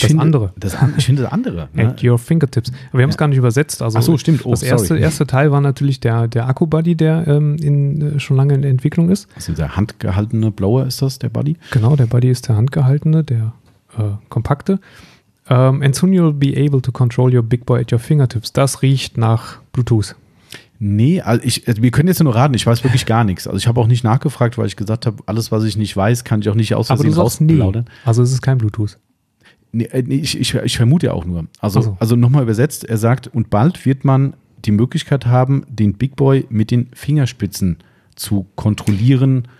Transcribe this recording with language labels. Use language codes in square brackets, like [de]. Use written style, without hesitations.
[de] das finde, andere. Ich finde das andere. Ne? [en] At your fingertips. [de] Aber wir haben es gar nicht übersetzt. Also ach so, stimmt. Oh, das erste Teil war natürlich der Akku-Buddy, der schon lange in der Entwicklung ist. Also der handgehaltene blaue ist das, der Buddy? Genau, der Buddy ist der handgehaltene, der kompakte. [en] And soon you'll be able to control your big boy at your fingertips. [de] Das riecht nach Bluetooth. Nee, also wir können jetzt nur raten, ich weiß wirklich gar nichts. Also ich habe auch nicht nachgefragt, weil ich gesagt habe, alles, was ich nicht weiß, kann ich auch nicht aus Versehen rausplaudern. Also es ist kein Bluetooth. Nee, ich vermute auch nur. Also nochmal übersetzt, er sagt, und bald wird man die Möglichkeit haben, den Big Boy mit den Fingerspitzen zu kontrollieren.